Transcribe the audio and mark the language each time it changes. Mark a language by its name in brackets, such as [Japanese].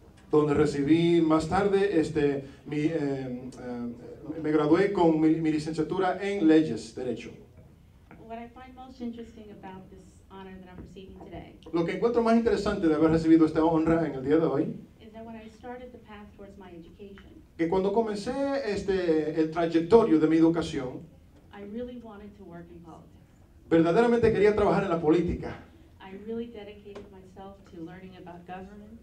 [Spanish] Donde recibí más tarde me gradué con mi licenciatura en leyes, derecho. [English] What I find most interesting about this honor that I'm receiving today. [Spanish] Lo que encuentro más interesante de haber recibido esta honra en el día de hoy. [English] Is that when I started the path towards my education. [Spanish] Que cuando comencé el trayectorio de mi educación. [English] I really wanted to work in politics. [Spanish] Verdaderamente quería trabajar en la política. [English] I really dedicated myself to learning about government.